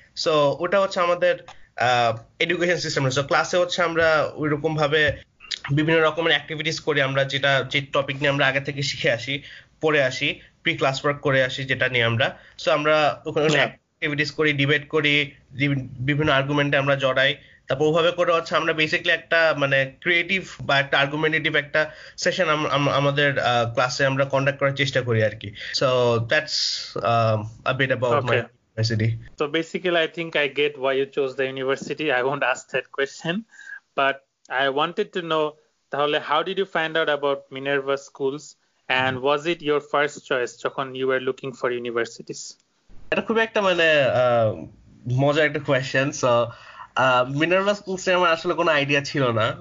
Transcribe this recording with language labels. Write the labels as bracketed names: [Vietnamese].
[Bangla] So ওটা হচ্ছে আমাদের এডুকেশন সিস্টেম। সো ক্লাসে হচ্ছে আমরা ওই রকম ভাবে বিভিন্ন রকমের অ্যাক্টিভিটিস করি, আমরা যেটা যে টপিক নিয়ে আমরা আগে থেকে শিখে আসি, পড়ে আসি, প্রি ক্লাস ওয়ার্ক করে আসি যেটা নিয়ে আমরা, সো আমরা ওখানে অ্যাক্টিভিটিস করি, ডিবেট করি, বিভিন্ন আর্গুমেন্টে আমরা জড়াই, তারপর ওভাবে করে হচ্ছে আমরা বেসিক্যালি একটা মানে ক্রিয়েটিভ বা একটা আর্গুমেন্টেটিভ একটা সেশন আমাদের ক্লাসে আমরা কন্ডাক্ট করার চেষ্টা করি আর কি। [English] So that's a bit about my okay university? So basically, I think I get why you chose the university. I won't ask that question, but I wanted to know, [Bangla] তাহলে [English] how did you find out about Minerva schools and was it your first choice [Bangla] যখন [English] you were looking for universities? [Bangla] এটা খুবই একটা মানে মজার একটা question. So Minerva schools এ আমার আসলে কোনো আইডিয়া ছিল না।